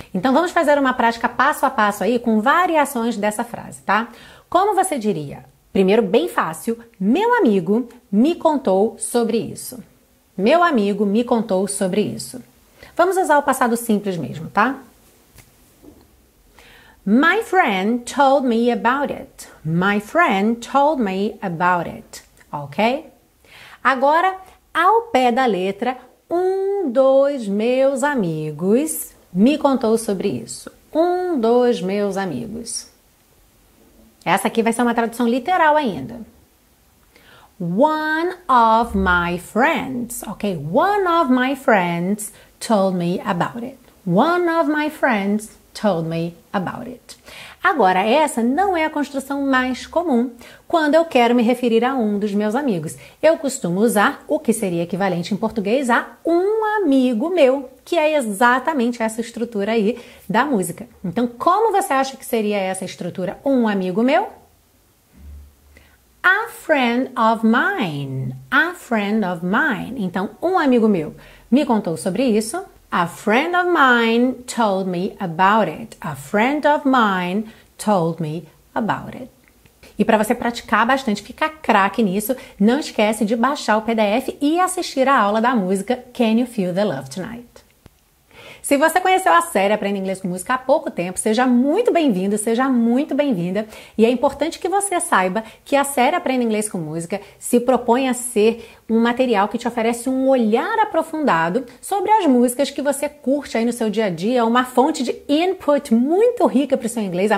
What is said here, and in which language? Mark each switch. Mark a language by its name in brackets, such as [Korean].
[Portuguese] Então, vamos fazer uma prática passo a passo aí com variações dessa frase, tá? Como você diria? Primeiro, bem fácil, meu amigo me contou sobre isso. Meu amigo me contou sobre isso. Vamos usar o passado simples mesmo, tá? [English] My friend told me about it. My friend told me about it. Ok? [Portuguese] Agora, ao pé da letra, um dos meus amigos me contou sobre isso. Um dos meus amigos. Essa aqui vai ser uma tradução literal ainda. [English] One of my friends, ok? One of my friends told me about it. One of my friends told me about it. [Portuguese] Agora, essa não é a construção mais comum quando eu quero me referir a um dos meus amigos. Eu costumo usar o que seria equivalente em português a um amigo meu, que é exatamente essa estrutura aí da música. Então, como você acha que seria essa estrutura, um amigo meu? [English] A friend of mine. A friend of mine. [Portuguese] Então, um amigo meu me contou sobre isso. [English] A friend of mine told me about it. A friend of mine told me about it. [Portuguese] E para você praticar bastante, ficar craque nisso, não esquece de baixar o PDF e assistir a aula da música Can You Feel the Love Tonight? Se você conheceu a série Aprenda Inglês com Música há pouco tempo, seja muito bem-vindo, seja muito bem-vinda. E é importante que você saiba que a série Aprenda Inglês com Música se propõe a ser um material que te oferece um olhar aprofundado sobre as músicas que você curte aí no seu dia a dia, uma fonte de input muito rica para o seu inglês.